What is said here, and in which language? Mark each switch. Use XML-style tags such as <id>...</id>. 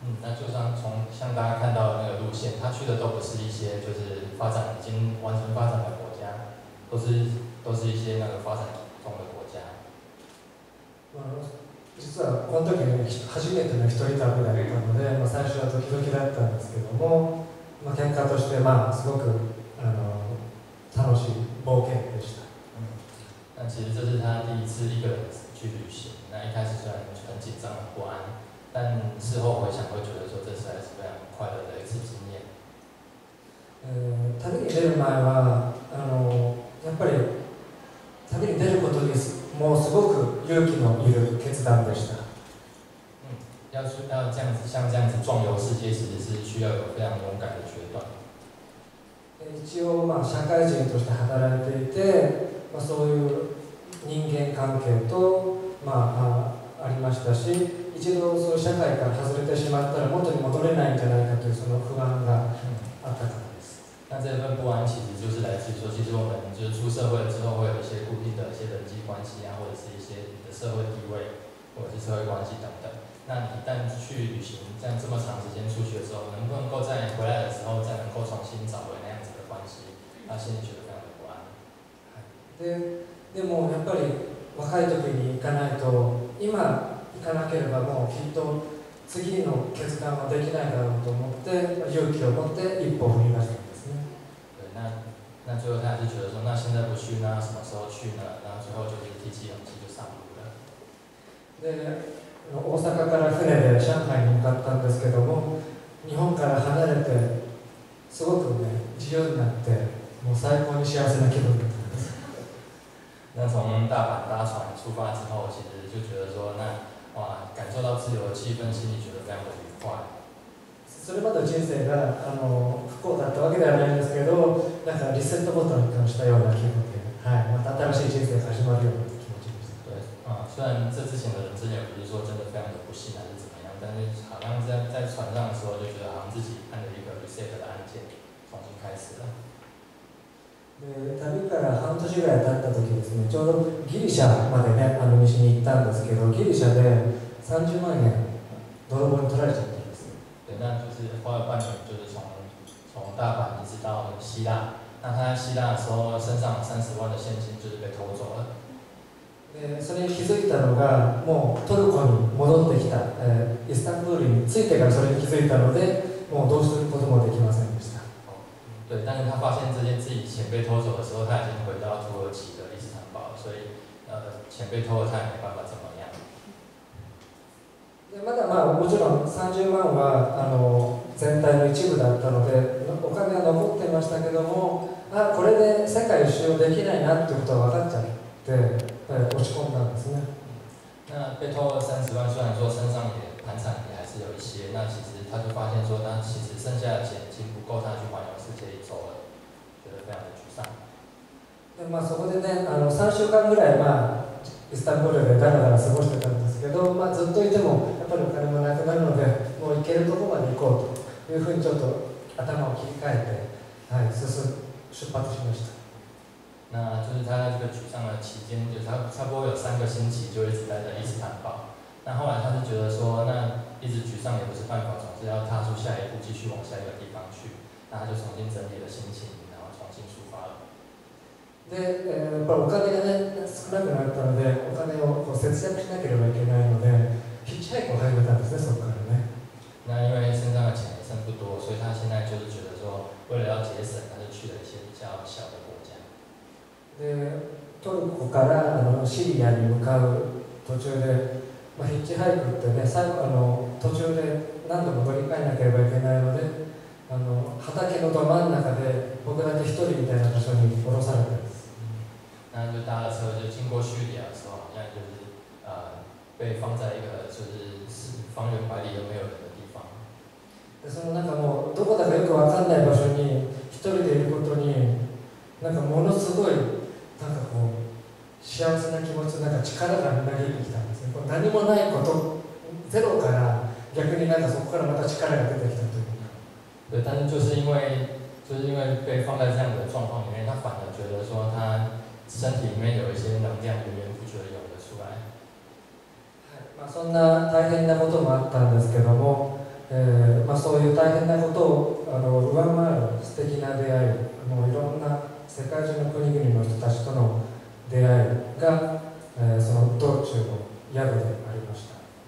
<zh>那就算从像大家看到的那个路线，他去的都不是一些就是发展已经完成发展的国家，都是一些那个发展中的国家。</zh> <ja>まあ、実はこの時に初めての一人旅だったので、まあ、最初はドキドキだったんですけども、まあ、結果としてまあすごくあの楽しい冒険でした。</ja> <zh>那其实这是他第一次一个人去旅行，那一开始虽然很紧张、很不安，但事后回想会觉得说这次还是非常快乐的一次经验。</zh> <ja>旅に出る前は、あのやっぱり旅に出ることにもうすごく勇気のいる決断でした。</ja> <zh>要这样子，像这样子壮游世界，其实是需要有非常勇敢的决断。</zh> <ja>一応まあ社会人として働いていて。まあ、そういう人間関係と、まあ、ありましたし、一度そういう社会から外れてしまったら元に戻れないんじゃないかというその不安があったからです。</ja> <zh>那这份不安其实就是来自于说，其实我们就是出社会之后会有一些固定的一些人际关系啊，或者是一些你的社会地位，或者是社会关系等等。那你一旦去旅行，这样这么长时间出去的时候，能不能够在回来的时候再能够重新找回那样子的关系？那心里觉得。</zh> <ja>でもやっぱり若い時に行かないと今行かなければもうきっと次の決断はできないだろうと思って勇気を持って一歩踏み出したんですね。</ja> <zh>对，那最后他就觉得说，那现在不去，那什么时候去呢？然后最后就是提起勇气就上路了。</zh> <ja>で、大阪から船で上海に向かったんですけども、日本から離れてすごくね自由になってもう最高に幸せな気分。</ja> <zh>那从大阪搭船出发之后，其实就觉得说，那哇，感受到自由的气氛，心里觉得非常的愉快。</zh> <ja>それまで人生が不幸だったわけではないんですけど、なんかリセットボタンを感じたような気分で、はい、また新しい人生が始まるような気持ちです。</ja> <zh>对，啊，虽然这之前的人生也不是说真的非常的不幸还是怎么样，但是好像在船上的时候就觉得好像自己按了一个 reset 的按键，重新开始了。</zh> <ja>で旅から半年ぐらい経った時ですね、ちょうどギリシャまでね、西に行ったんですけど、ギリシャで30万円泥棒に取られちゃったんです。</ja> <zh>で、那就是花了半年，就是从大阪一直到希腊。那他在希腊的时候，身上30万的现金就是被偷走了。</zh> <ja>で、それに気づいたのが、もうトルコに戻ってきた、イスタンブールに着いてからそれに気づいたので、もうどうすることもできませんでした。</ja> <zh>对，但是他发现这件自己钱被偷走的时候，他已经回到土耳其的伊斯坦堡，所以钱被偷了，他也没办法怎么样。</zh> <ja>まだまあもちろん30万は全体の一部だったので、お金は残ってましたけども、あこれで世界一周できないなってことは分かっちゃって落ち込んだんですね。</ja> <zh>那被偷了30万，虽然说身上也盘缠也还是有一些，那其实他就发现说，那其实剩下的钱已经不够他去环游世界一周了，觉得非常的沮丧。</zh> <ja>でまあそこでね、3週間ぐらいまあイスタンブールでだらだら過ごしてたんですけど、まあずっといてもやっぱりお金もなくなるので、もう行けるところまで行こうというふうにちょっと頭を切り替えて、はい、出発しました。</ja> <zh>那就是他在这个沮丧的期间，就他差不多有三个星期就一直待在伊斯坦堡。那后来他就觉得说，那一直沮丧也不是办法，总是要踏出下一步，继续往下一个地方去。那他就重新整理了心情，然后重新出发了。</zh> <ja>で、やっぱりお金がね少なくなったので、お金をこう節約しなければいけないので、ヒッチハイクを始めたんですね、そこからね。</ja> <zh>那因为身上的钱也剩不多，所以他现在就是觉得说，为了要节省，他就去了一些比较小的。</zh> <ja>でトルコからシリアに向かう途中で、まあ、ヒッチハイクってね最後途中で何度も乗り換えなければいけないので畑のど真ん中で僕だけ一人みたいな場所に降ろされてます。那就搭了车就经过叙利亚的时候，好像就是被放在一个就是方圆百里都没有人的地方。でそのなんかもうどこだかよくわかんない場所に一人でいることに。なんかものすごいなんかこう幸せな気持ちなんか力がみなぎってきたんですね。これ何もないことゼロから逆になんかそこからまた力が出てきたというか。</ja> <zh>对，但是就是因为被放在这样的状况里面，他反而觉得说他身体里面有一些能量源源不绝涌了出来。</zh> <ja>はい、まあそんな大変なこともあったんですけども、まあそういう大変なことを上回る素敵な出会い、もういろんな世界中の国々の人たちとの出会いが、その道中の宿でありました。</ja>